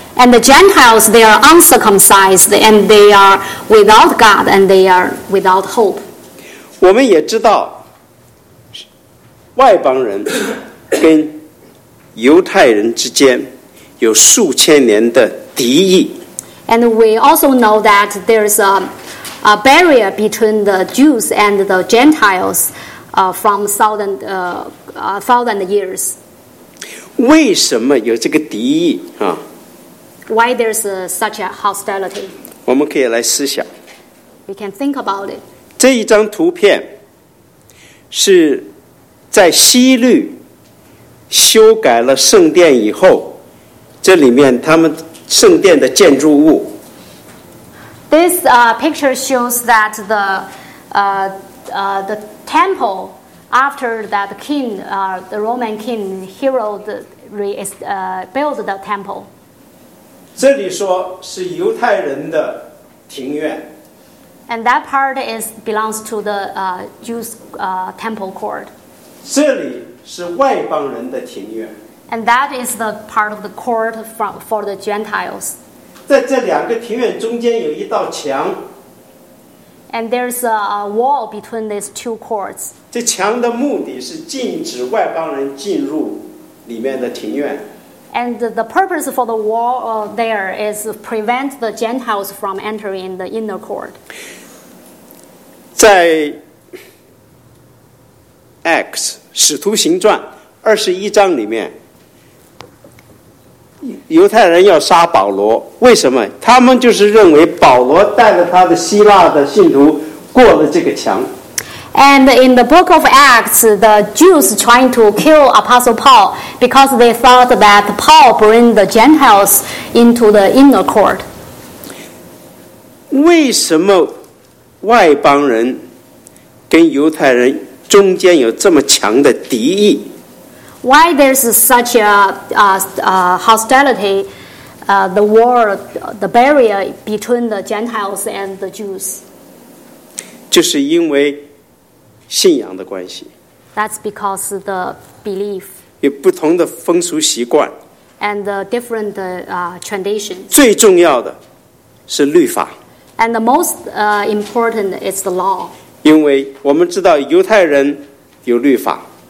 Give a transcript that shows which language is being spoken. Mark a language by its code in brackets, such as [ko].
[en] And the Gentiles, they are uncircumcised, and they are without God, and they are without hope. [zh] 我们也知道，外邦人跟犹太人之间有数千年的敌意 [en] And we also know that there's a barrier between the Jews and the Gentiles from thousand years. [zh] 为什么有这个敌意啊 [en] Why there's such a hostility? [zh] 我们可以来思想 [en] We can think about it. [zh] 这一张图片是在希律修改了圣殿以后，这里面他们。圣殿的建筑物。 [en] This picture shows that the temple after that king, the Roman king Hero built the temple. [zh] 这里说是犹太人的庭院。 [en] And that part is belongs to the Jews temple court. [zh] 这里是外邦人的庭院。 [en] And that is the part of the court for the Gentiles. [zh] 在这两个庭院中间有一道墙。 [en] And there's a wall between these two courts. [zh] 这墙的目的是禁止外邦人进入里面的庭院。 [en] And the purpose for the wall there is prevent the Gentiles from entering the inner court. [zh] 在 Acts 使徒行传二十一章里面。犹太人要杀保罗，为什么？他们就是认为保罗带着他的希腊的信徒过了这个墙。 [en] And in the book of Acts, the Jews trying to kill Apostle Paul because they thought that Paul bring the Gentiles into the inner court. [zh] 为什么外邦人跟犹太人中间有这么强的敌意？ [en] Why there's such a hostility, the war, the barrier between the Gentiles and the Jews? [zh] 就是因为信仰的关系。 [en] That's because of the belief. [zh] 有不同的风俗习惯。 [en] And the different traditions. [zh] 最重要的是律法。 [en] And the most important is the law. [zh] 因为我们知道犹太人有律法。